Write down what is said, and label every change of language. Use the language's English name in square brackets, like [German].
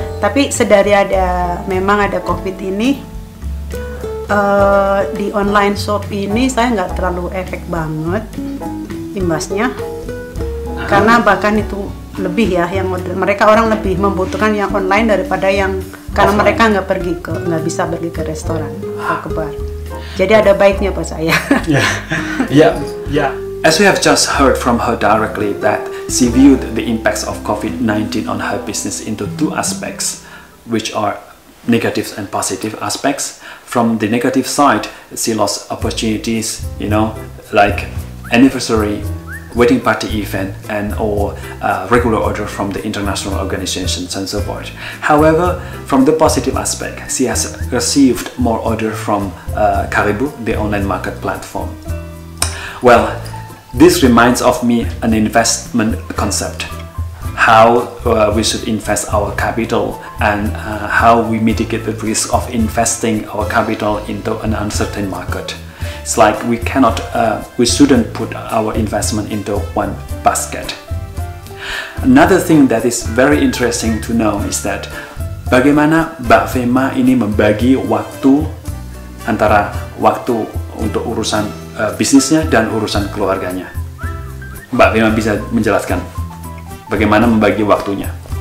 [Indonesian] Tapi sedari ada memang ada COVID ini, di online shop ini saya nggak terlalu efek banget imbasnya, karena bahkan itu lebih ya, yang mereka orang lebih membutuhkan yang online daripada yang offline. Karena mereka nggak bisa pergi ke restoran atau ke bar. Jadi ada baiknya buat saya. [English] Yeah. As we have just heard from her directly that she viewed the impacts of COVID-19 on her business into 2 aspects, which are negative and positive aspects. From the negative side, she lost opportunities, you know, like anniversary, wedding party event, and or regular order from the international organizations and so forth. However, from the positive aspect, she has received more order from Karibu, the online market platform. Well, this reminds of me an investment concept. How we should invest our capital, and how we mitigate the risk of investing our capital into an uncertain market. It's like we cannot, we shouldn't put our investment into one basket. Another thing that is very interesting to know is that [Indonesian] bagaimana Mbak Fema ini membagi waktu antara waktu untuk urusan bisnisnya dan urusan keluarganya. Mbak Fema bisa menjelaskan bagaimana membagi waktunya.